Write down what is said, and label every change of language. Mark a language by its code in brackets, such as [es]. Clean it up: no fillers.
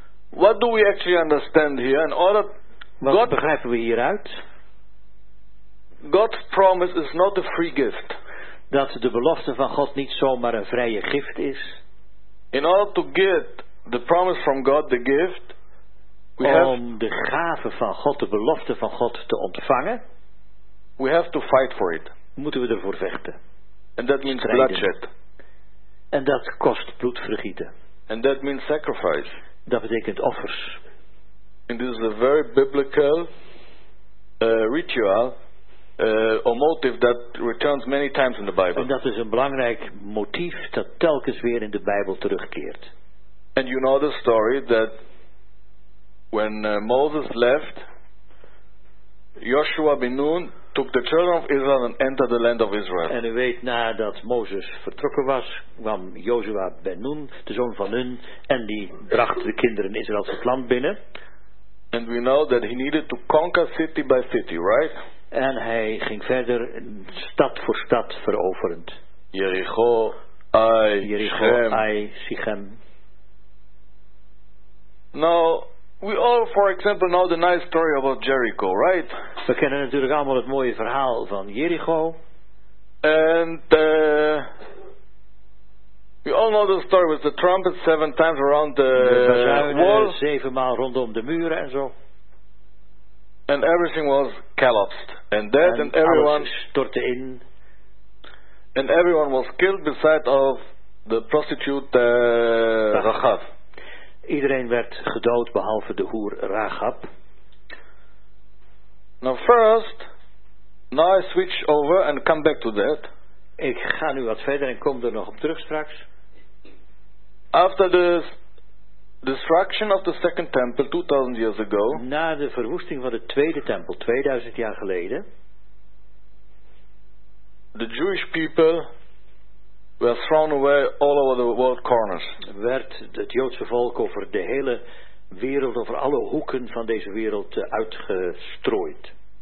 [en] What do we actually understand here? In order, [nl] wat God, begrijpen we hieruit? [en] God's promise is not a free gift. [nl] dat de belofte van God niet zomaar een vrije gift is. [en] In order to get the promise from God, the gift, we have [nl] om de gave van God, de belofte van God te ontvangen, [en] we have to fight for it. [nl] Moeten we ervoor vechten. [en] And that means [nl] strijden. [en] Bloodshed. [nl] En dat kost bloedvergieten. [en] And that means sacrifice. [nl] Dat betekent offers. [en] And this is a very biblical ritual. Or motive that returns many times in the Bible. [nl] En dat is een belangrijk motief dat telkens weer in de Bijbel terugkeert. [en] And you know the story that when Moses left, Joshua ben Nun took the children of Israel and entered the land of Israel. [nl] En u weet, nadat Moses vertrokken was, kwam Joshua ben Nun, de zoon van Nun, en die bracht de kinderen Israëls het land binnen. [en] And we know that he needed to conquer city by city, right? [nl] En hij ging verder stad voor stad veroverend. [en] Jericho, Ai, [nl] Jericho, Ai, Sichem. [en] Now, we all, for example, know the nice story about Jericho, right? [nl] We kennen natuurlijk allemaal het mooie verhaal van Jericho. [en] And we all know the story with the trumpet 7 times around the wall. [nl] 7 maal rondom de muren en zo. [en] And everything was collapsed and dead, and everyone [nl] stortte in. [en] And everyone was killed beside of the prostitute Rahab. [nl] Iedereen werd gedood behalve de hoer Rahab. [en] Now I switch over and come back to that. [nl] Ik ga nu wat verder en kom er nog op terug straks. [en] After the destruction of the second temple 2000 years ago. [nl] Na de verwoesting van de tweede tempel 2000 jaar geleden. [en] The Jewish people were thrown away all over the world corners. [nl] Werd het Joodse volk over de hele wereld, over alle hoeken van deze wereld uitgestrooid.